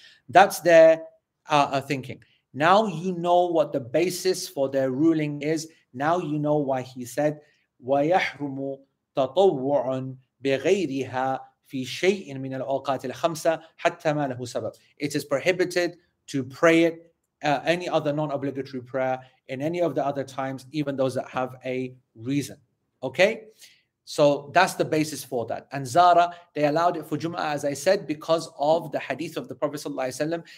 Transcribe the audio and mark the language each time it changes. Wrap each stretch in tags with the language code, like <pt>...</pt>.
<en>That's their thinking. Now you know what the basis for their ruling is. Now you know why he said</en> <ar>وَيَحْرُمُ تَطَوُّعٌ بِغَيْرِهَا فِي شَيْءٍ مِنَ الْأَوْقَاتِ الْخَمْسَةِ حَتَّى مَا لَهُ سَبَبٍ.</ar> <en>It is prohibited to pray it, any other non-obligatory prayer, in any of the other times, even those that have a reason. Okay? So that's the basis for that. And Zara, they allowed it for Jum'ah, as I said, because of the hadith of the Prophet ﷺ.</en>